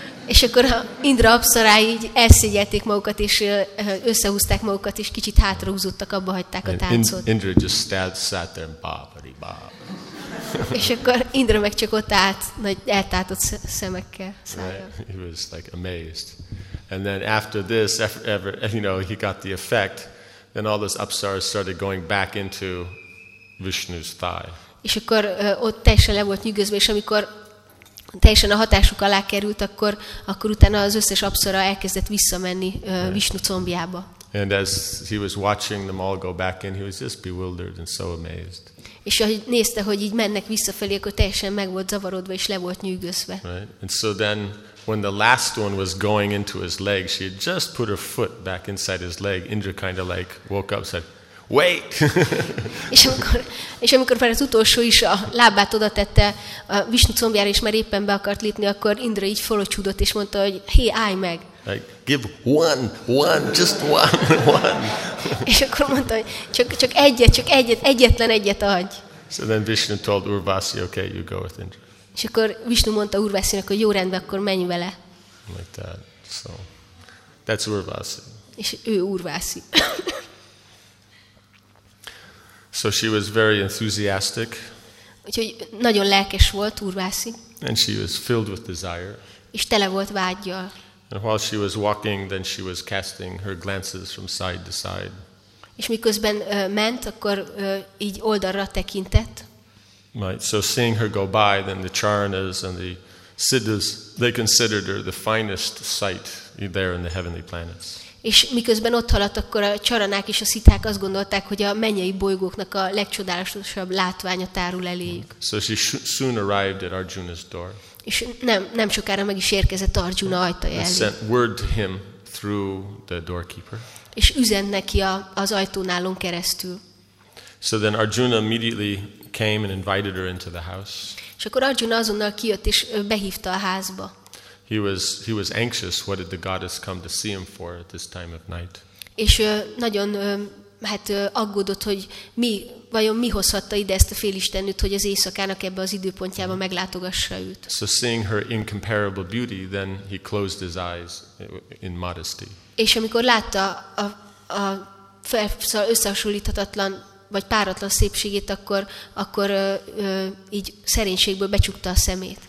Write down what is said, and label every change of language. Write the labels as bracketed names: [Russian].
[Hungarian] És akkor a Indra apsarái így elszégyelték magukat, és összehúzták magukat, és kicsit hátrahúzódtak, abba hagyták a táncot. [English] Indra just sat there and bobbity bob. [Hungarian] És akkor Indra meg csak ott állt, nagy eltátott szemekkel. [English] Right. He was like amazed. And then after this, he got the effect, then all those apsaras started going back into Vishnu's thigh. [Hungarian] És akkor ott teljesen le volt nyűgözve, és amikor teljesen a hatásuk alá került, akkor utána az összes apsara elkezdett visszamenni Vishnu combjába. [English] And as he was watching them all go back in, he was just bewildered and so amazed. [Hungarian] És ahogy nézte, hogy így mennek visszafelé, akkor teljesen meg volt zavarodva és le volt nyűgözve. [English] Right. And so then when the last one was going into his leg, she had just put her foot back inside his leg. Indra kind of like woke up, said, "Wait." [Hungarian] és amikor már az utolsó is a lábát oda tette a Vishnu combjára és már éppen be akart lépni, akkor Indra így fölcsúdott és mondta, hogy "Hé, állj meg." [English] Like, give one, just one. [Hungarian] És akkor mondta, hogy csak egyet adj. [English] So then Vishnu told Urvasi, okay, you go with Indra. [Hungarian] És akkor Vishnu mondta Urvasinak, hogy jó, rendben, akkor menj vele. [English] Like that. So, that's Urvasi. [Hungarian] És ő Urvasi. [English] So she was very enthusiastic. [Hungarian] Úgyhogy nagyon lelkes volt Urvasi. [English] And she was filled with desire. [Hungarian] És tele volt vágyjal. [English] And while she was walking, then she was casting her glances from side to side. [Hungarian] És miközben ment, akkor így oldalra tekintett. [English] Right. So seeing her go by, then the charanas and the siddhas, they considered her the finest sight there in the heavenly planets. [Hungarian] És miközben ott haladt, akkor a charanák és a szitták azt gondolták, hogy a mennyei bolygóknak a legcsodálatosabb látványa tárul eléjük. [English] So she soon arrived at Arjuna's door. [Hungarian] És nem sokára meg is érkezett Arjuna ajtaja elé. [English] Sent word to him through the doorkeeper. [Hungarian] És üzen neki az ajtónálon keresztül. [English] So then Arjuna immediately came and invited her into the house. [Hungarian] És akkor Arjuna azonnal kijött és behívta a házba. [English] He was anxious, what did the goddess come to see him for at this time of night? [Hungarian] És nagyon aggódott, hogy vajon mi hozhatta ide ezt a félistennőt, hogy az éjszakának ebbe az időpontjába meglátogassa őt. [English] So seeing her incomparable beauty, then he closed his eyes in modesty. [Hungarian] És amikor látta a összehasonlíthatatlan vagy páratlan szépségét, akkor így szerénységből becsukta a szemét.